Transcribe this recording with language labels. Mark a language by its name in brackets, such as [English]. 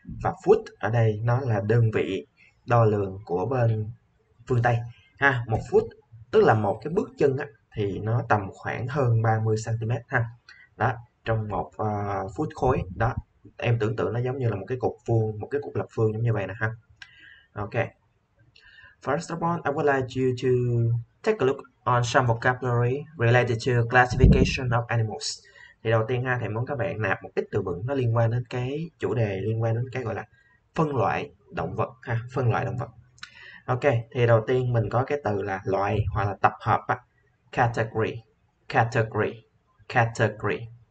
[Vietnamese] Và foot ở đây nó là đơn vị đo lường của bên phương Tây. Ha, một foot tức là một cái bước chân á, thì nó tầm khoảng hơn 30 cm ha. Đó, trong một foot khối đó, em tưởng tượng nó giống như là một cái cục vuông, một cái cục lập phương giống như vậy nè ha. [English] Ok, first of all I would like you to take a look on some vocabulary related to classification of animals. [Vietnamese] Thì đầu tiên ha, thầy muốn các bạn nạp một ít từ vựng nó liên quan đến cái chủ đề, liên quan đến cái gọi là phân loại động vật ha, phân loại động vật. Ok, thì đầu tiên mình có cái từ là loại hoặc là tập hợp, category, category, category.